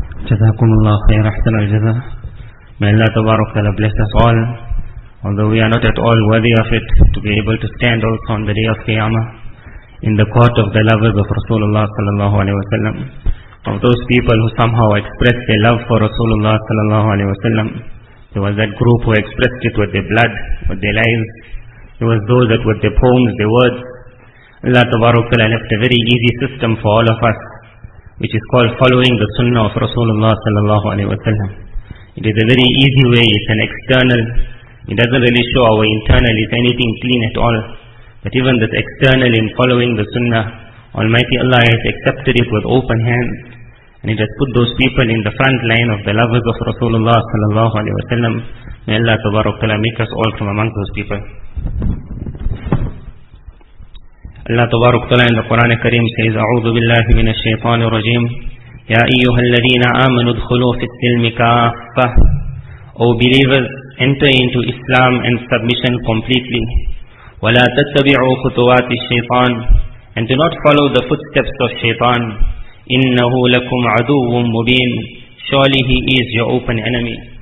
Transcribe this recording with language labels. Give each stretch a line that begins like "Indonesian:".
Arabic: جزاكم الله خير أحسن الجزاء.
English: May Allah Tabarakala bless us all. Although we are not at all worthy of it, to be able to stand also on the day of Qiyamah in the court of the lovers of Rasulullah sallallahu alaihi wasallam, of those people who somehow expressed their love for Rasulullah sallallahu alaihi wasallam. There was that group who expressed it with their blood, with their lives. There was those that with their poems, their words. Allah Tabarakala left a very easy system for all of us, which is called following the sunnah of Rasulullah sallallahu alaihi wasallam. It is a very easy way. It's an external. It doesn't really show our internal is anything clean at all. But even this external in following the sunnah, Almighty Allah has accepted it with open hands. And it has put those people in the front line of the lovers of Rasulullah sallallahu alaihi wasallam. May Allah tabarakallah make us all from among those people. Allah tabarakallah in the Quran Kareem says,
Arabic: أعوذ بالله من الشيطان الرجيم. يا أيها الذين آمنوا ادخلوا في السلم كافة
English: O believers, enter into Islam and submission completely.
Arabic: وَلَا تَتَّبِعُوا خُطُوَاتِ الشَّيْطَانِ
English: And do not follow the footsteps of Shaitan.
Arabic: إِنَّهُ لَكُمْ عَدُوٌ مُّبِينٌ
English: Surely he is your open enemy.